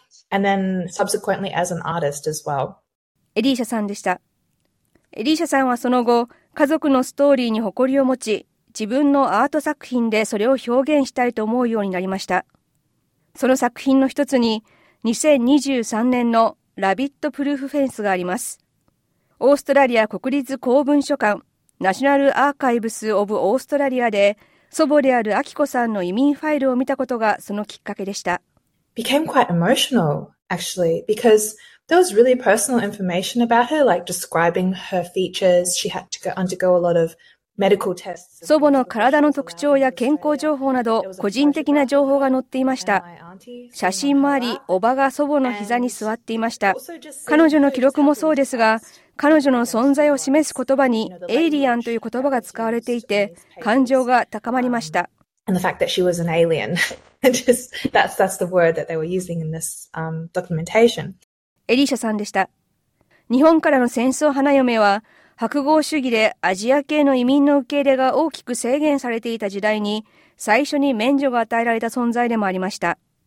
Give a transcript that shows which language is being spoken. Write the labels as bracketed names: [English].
[English] And then subsequently as an artist as well. [Japanese] エリーシャさんでした。エリーシャさんはその後、家族のストーリーに誇りを持ち、自分のアート作品でそれを表現したいと思うようになりました。その作品の一つに、2023年のラビットプルーフフェンスがあります。オーストラリア国立公文書館、ナショナルアーカイブスオブオーストラリアで、祖母であるアキコさんの移民ファイルを見たことがそのきっかけでした。 [English] Became quite emotional, actually, because there was really personal information about her, like describing her features. She had to undergo a lot of medical tests. [Japanese] 祖母の体の特徴や健康情報など個人的な情報が載っていました。写真もあり、おばが祖母の膝に座っていました。彼女の記録もそうですが、彼女の存在を示す言葉にエイリアンという言葉が使われていて、感情が高まりました。 [English] And the fact that she was an alien. Just, that's the word that they were using in this, documentation. [Japanese] エリシャさんでした。日本からの戦争花嫁は、白豪主義でアジア系の移民の受け入れが大きく制限されていた時代に、最初に免除が与えられた存在でもありました。